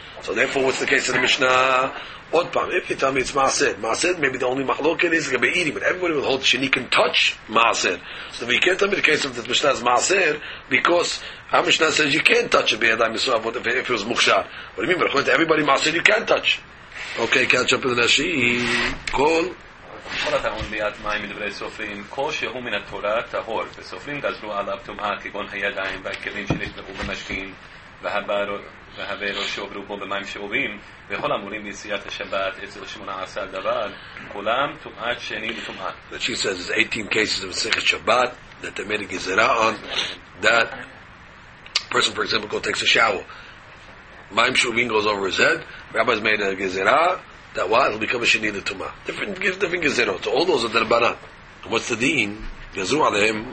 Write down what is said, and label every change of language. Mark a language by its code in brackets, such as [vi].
[en] So therefore, what's the case of the Mishnah? Odd pam, if you tell me it's maaser, maaser, maybe the only machloket is going to be eating, but everybody will hold sheni can touch maaser. So if you can't tell me the case of the Mishnah is maaser, because our Mishnah says you can't touch a b'yadayim misoavot if it was mukshar. What do you mean? According to everybody, maaser, you can't touch. Okay, catch up with the Rashi. Call. [he] כל הטעון ביד מים מדברי סופרים, כלשהו מן התורה טהור, וסופרים גזרו עליו טומאה כגון הידיים והכלים שנטבעו במשקים, והברו שעוברו בו במים שאובים, וכל האמורים ביציאת השבת, 18 דבר, כולם טומאת שני וטומאה. [en] But she says, there's 18 cases of מסכת שבת that they made a gezerah on, that person, for example, takes a shower. מים שאובים goes over his head, rabbis made a gezerah, that what? It'll become a sheni l'tumah. Different gezerot. So all those are darbanan. And what's the deen? [he] Gazru alehem